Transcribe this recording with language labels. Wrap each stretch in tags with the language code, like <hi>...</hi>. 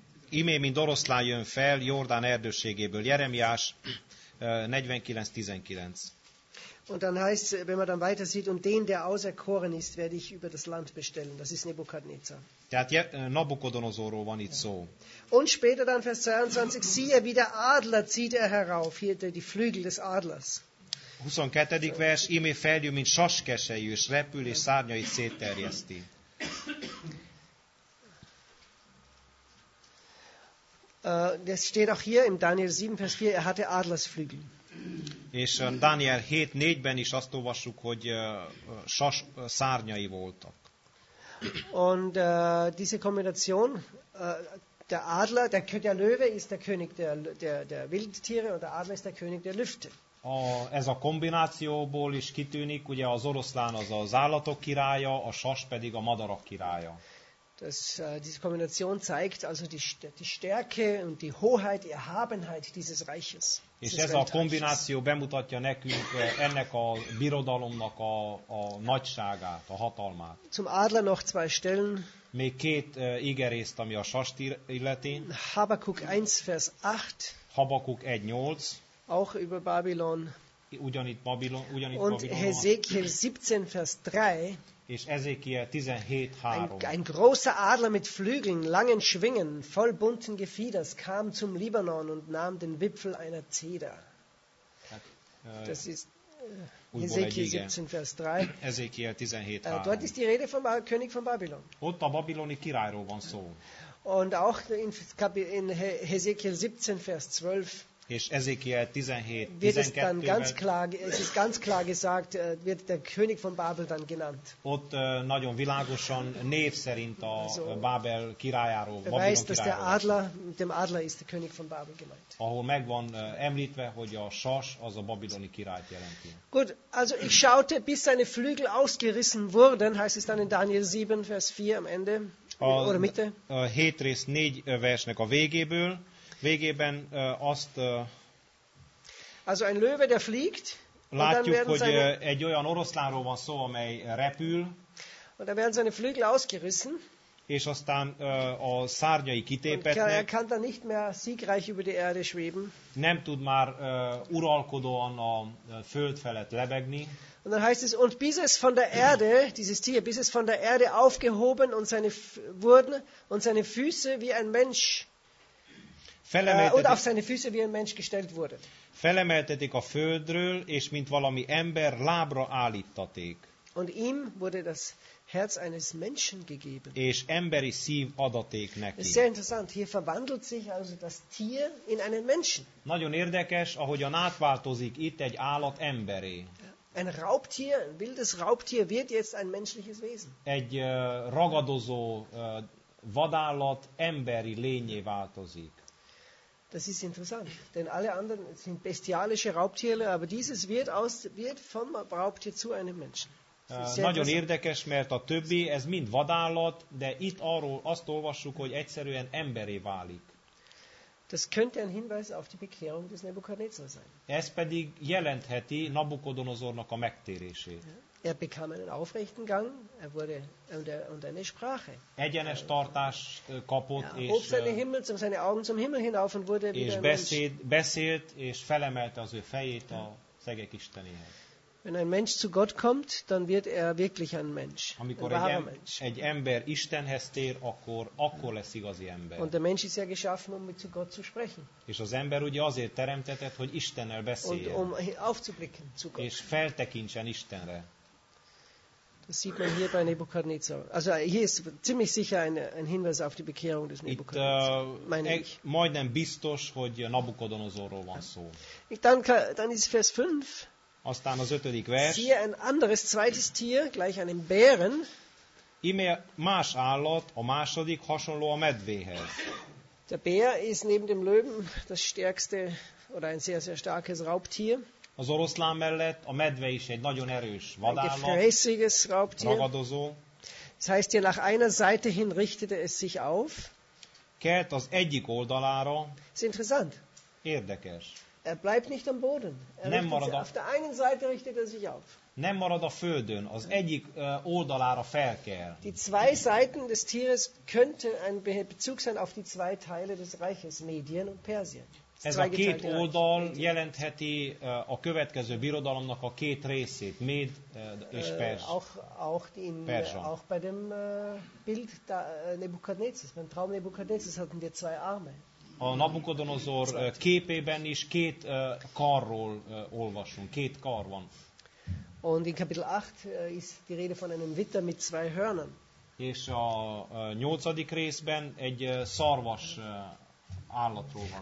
<hu>Ímé, mint oroszlán jön fel Jordán erdőségéből. Jeremiás 49:19.</hu> <de>Und dann heißt, wenn man dann weiter sieht, und den, der auserkoren ist, werde ich über das Land bestellen. Das ist Nebukadnezar.</de> <hu>Tehát Nabukodonozorról van itt szó.</hu> <de>Und später dann Vers 22, siehe, wie der Adler zieht er herauf, hier die Flügel des Adlers.</de> <hu>22. vers, ímé feljön, mint saskesejű, és repül, és szárnyait szétterjeszti.</hu> <de>Das steht auch hier im Daniel 7, Vers 4, er hatte Adlersflügel.</de> <hu>És Dániel 7:4-ben is azt olvassuk, hogy sas szárnyai voltak.</hu> <de>Und diese Kombination der Adler, der Löwe ist der König der Wildtiere und der Adler ist der König der Lüfte.</de> <hu>Ez a kombinációból is kitűnik, ugye az oroszlán az az állatok királya, a sas pedig a madarak királya.</hu> <de>Diese Kombination zeigt also die Stärke und die Hoheit, die Erhabenheit dieses Reiches.</de> <hu>És ez a kombináció bemutatja nekünk ennek a birodalomnak a nagyságát, a hatalmát.</hu> <de>Zum Adler noch zwei Stellen.</de> <hu>Még két igerészt, ami a sast illeti.</hu> <de>Habakuk 1, Vers 8.</de> <hu>Habakuk 1:8.</hu> <de>Auch über Babylon.</de> <hu>Ugyanitt Babylon. Ugyanitt</hu> <de>und Hezekiel 17, Vers 3.</de> <hu>És Ezekiel 17:3.</hu> <de>Ein großer Adler mit Flügeln, langen Schwingen, voll bunten Gefieders kam zum Libanon und nahm den Wipfel einer Zeder. Das ist Ezekiel 17, Vers 3.</de> <hu>Ezekiel 17:3.</hu> <de>Dort ist die Rede vom König von Babylon.</de> <hu>Ott a babiloni királyról van szó.</hu> <de>Und auch in Ezekiel 17, Vers 12.</de> <hu>És Ezekiel 17:12.</hu> <de>Es ist ganz klar gesagt, wird der König von Babel dann genannt.</de> <hu>Ott nagyon világosan név szerint a Bábel királyáról, Babylon királyáról.</hu> <de>Weißt, dass der Adler, mit dem Adler ist der König von Babel gemeint.</de> <hu>Ahol megvan említve, hogy a sas az a babiloni királyt jelenti.</hu> <de>Gut, also ich schaute, bis seine Flügel ausgerissen wurden, heißt es dann in Daniel 7, Vers 4 am Ende, oder Mitte.</de> <hu>A 7 rész 4 versnek a végéből. Végében azt</hu> <de>also ein Löwe, der fliegt,</de> <hu>látjuk, hogy egy olyan oroszlánról van szó, amely repül,</hu> <de>und dann werden seine Flügel ausgerissen,</de> <hu>és aztán a szárnyai kitépetnek,</hu> <de>und er kann dann nicht mehr siegreich über die Erde schweben,</de> <hu>nem tud már uralkodóan a föld felett lebegni.</hu> <de>Und dann heißt es, und bis es von der Erde, dieses Tier, bis es von der Erde aufgehoben und seine Füße wie ein Mensch oder auf seine Füße wie ein Mensch gestellt wurde.</de> <hu>Felemeltetik a földről, és mint valami ember lábra állítaték.</hu> <de>Und ihm wurde das Herz eines Menschen gegeben.</de> <hu>És emberi szív adaték neki.</hu> <de>Sehr interessant, hier verwandelt sich also das Tier in einen Menschen.</de> <hu>Nagyon érdekes, ahogyan átváltozik itt egy állat emberé.</hu> <de>Ein Raubtier, ein wildes Raubtier wird jetzt ein menschliches Wesen.</de> <hu>Egy ragadozó vadállat emberi lényé változik.</hu> <de>Das ist interessant, denn alle anderen sind bestialische Raubtiere, aber dieses wird vom Raubtier zu einem Menschen.</de> <hu>Nagyon érdekes, mert a többi, ez mind vadállat, de itt arról azt olvassuk, hogy egyszerűen emberé válik.</hu> <de>Das könnte ein Hinweis auf die Bekehrung des Nebukadnezar sein.</de> <hu>Ez pedig jelentheti Nabukodonozornak a megtérését.</hu> <de>Er bekam einen aufrechten Gang, er wurde und eine Sprache.</de> <hu>Egyenes tartást kapott, ja,</hu> <de>hob seine Himmel zum seine Augen zum Himmel hinauf und wurde wieder</de> <hu>beszélt és felemelte az ő fejét a szegek istenéhez.</hu> <de>Wenn ein Mensch zu Gott kommt, dann wird er wirklich ein Mensch.</de> <hu>Amikor egy ember Istenhez tér, akkor lesz igazi ember.</hu> <de>Und der Mensch ist ja geschaffen, um mit zu Gott zu sprechen.</de> <hu>És az ember ugye azért teremtetett, hogy Istennel beszéljen.</hu> <de>Und um aufzublicken zu Gott.</de> <hu>És feltekintsen Istenre.</hu> <de>Das sieht man hier bei Nebukadnezar. Also hier ist ziemlich sicher ein Hinweis auf die Bekehrung des Nebukadnezar. Dann ist Vers 5.</de> <hu>Aztán az ötödik vers.</hu> <de>Siehe ein anderes, zweites Tier, gleich einem Bären.</de> <hu>Ime más állat, a második, hasonló a medvéhez.</hu> <de>Der Bär ist neben dem Löwen das stärkste oder ein sehr, sehr starkes Raubtier.</de> <hu>Az oroszlán mellett a medve is egy nagyon erős vadállat.</hu> <de>Ein gefräßiges Raubtier.</de> <hu>Ragadozó.</hu> <de>Das heißt, hier nach einer Seite hin richtete es sich auf.</de> <hu>Kelt az egyik oldalára.</hu> <de>Ist interessant.</de> <hu>Érdekes.</hu> <de>Er bleibt nicht am Boden. Auf der einen Seite richtet er sich auf.</de> <hu>Nem marad a földön, az egyik oldalára felkel.</hu> <de>Die zwei Seiten des Tieres könnte ein Bezug sein auf die zwei Teile des Reiches, Medien und Persien.</de> <hu>Ez a két oldal jelentheti a következő birodalomnak a két részét, Méd és Perzs.</hu> <de>Auch bei dem Bild da, Nebukadnezars, beim Traum Nebukadnezars hatten wir zwei Arme.</de> <hu>A Nabukodonozor képében is két karról olvasunk, két kar van.</hu> <de>Und in Kapitel 8 ist die Rede von einem Witter mit zwei Hörnern.</de> <hu>És a nyolcadik részben egy szarvas állatról van.</hu>